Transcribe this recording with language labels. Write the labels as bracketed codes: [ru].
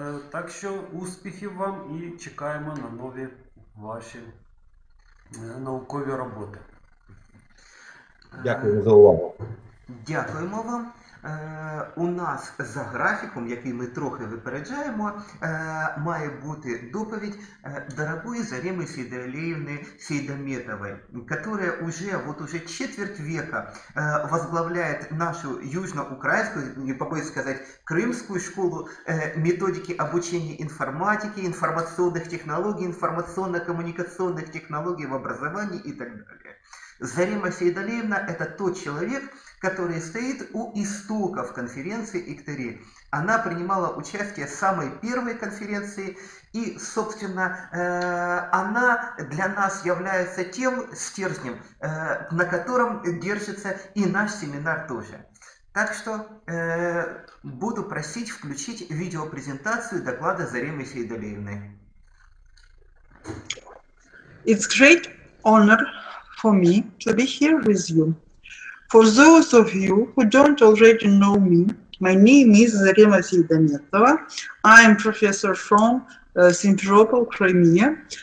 [uk] Так що успіхів вам і чекаємо на нові ваші наукові роботи. Дякую за увагу. Дякуємо вам. У нас за графіком, який ми трохи випереджаємо, має бути доповідь дорогої [ru] Заремы Сейдалиевны Сейдаметовой, которая уже четверть века возглавляет нашу южноукраинскую, не побоюсь сказать, крымскую школу методики обучения информатики, информационных технологий, информационно-коммуникационных технологий в образовании и так далее. Зарема Сейдалиевна – это тот человек, который стоит у истоков конференции ICTERI. Она принимала участие в самой первой конференции, и, собственно, она для нас является тем стержнем, на котором держится и наш семинар тоже. Так что буду просить включить видеопрезентацию доклада Заремы Сейдалиевны. [en] It's great honor for me to be here with you. For those of you who don't already know me, my name is Zarema Seidametova. I am professor from Simferopol, Crimea.